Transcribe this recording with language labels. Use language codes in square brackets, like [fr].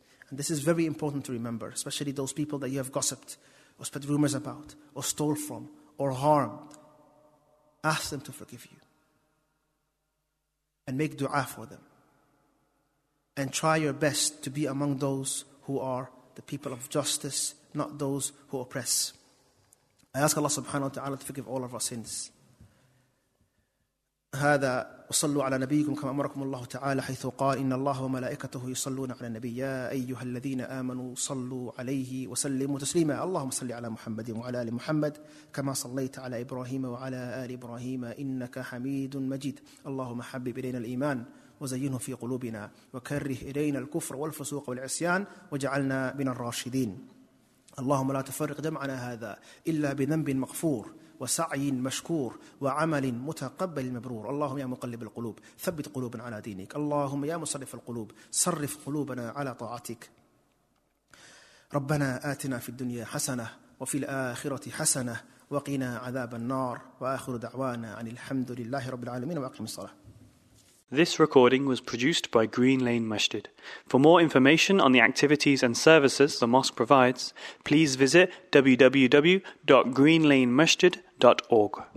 [en] And this is very important to remember, especially those people that you have gossiped, or spread rumors about, or stole from, or harmed. Ask them to forgive you. And make dua for them. And try your best to be among those who are the people of justice, not those who oppress. I ask Allah subhanahu wa ta'ala to forgive all of our sins. [ar] هذا وصلوا على نبيكم كما أمركم الله تعالى حيث قال إن الله وملائكته يصلون على النبي يا أيها الذين آمنوا صلوا عليه وسلموا تسليما اللهم صل على محمد وعلى آل محمد كما صليت على إبراهيم وعلى آل إبراهيم إنك حميد مجيد اللهم حبب إلينا الإيمان وزينه في قلوبنا وكره إلينا الكفر والفسوق والعصيان وجعلنا من الراشدين اللهم لا تفرق جمعنا هذا إلا بذنب مغفور وسعي مشكور وعمل متقبل مبرور اللهم يا مقلب القلوب ثبت قلوبنا على دينك اللهم يا مصرف القلوب صرف قلوبنا على طاعتك ربنا آتنا في الدنيا حسنة وفي الآخرة حسنة وقنا عذاب النار وآخر دعوانا عن الحمد لله رب العالمين وأقم الصلاة. [en] This recording was produced by Green Lane Masjid. For more information on the activities and services the mosque provides, please visit www.greenlanemasjid.org.